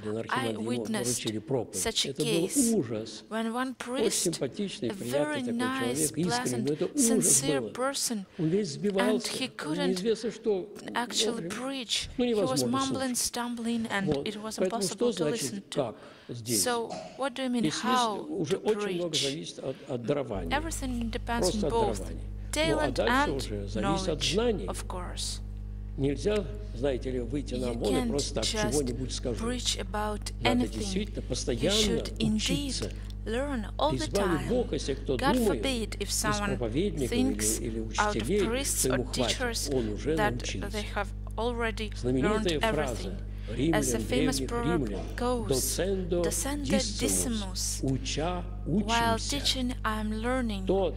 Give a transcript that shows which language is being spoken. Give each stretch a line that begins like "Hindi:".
English: I witnessed such a case when one priest, a very nice, pleasant, sincere person, and he couldn't actually preach. He was mumbling, stumbling, and it was impossible to listen to. So, what do you mean, how to preach? Everything depends on both talent and knowledge, of course.
Russian: Нельзя, знаете ли, выйти на волю и просто так чего-нибудь скажу. Надо действительно постоянно учиться.
English: Learn all the time. God forbid if someone thinks out of priests or teachers that they have already learned everything. As the famous proverb goes,
Latin: docendo dissimus,
English: while teaching I am learning.